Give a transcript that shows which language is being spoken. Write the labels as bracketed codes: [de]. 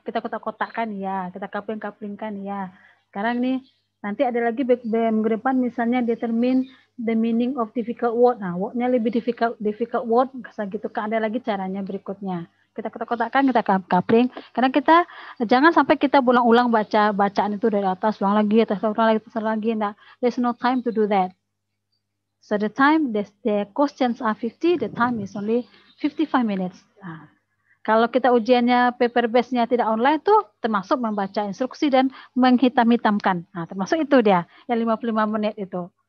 [id] Kita kotak-kotakkan, ya. Kita kapling-kaplingkan, ya. Sekarang nih, nanti ada lagi minggu depan misalnya [en] determine the meaning of difficult word. [id] Nah, word-nya lebih difficult word, kasar gitu. Ada lagi caranya berikutnya. Kita kotak-kotakkan, kita kapling. Karena kita, jangan sampai kita ulang-ulang bacaan itu dari atas, ulang lagi, atas, ulang lagi, atas, ulang lagi. [en] Nah, there's no time to do that. So the time, the questions are 50, the time is only 55 minutes. [id] Nah. Kalau kita ujiannya paper base-nya tidak online tuh termasuk membaca instruksi dan menghitam-hitamkan. Nah, termasuk itu dia yang 55 menit itu.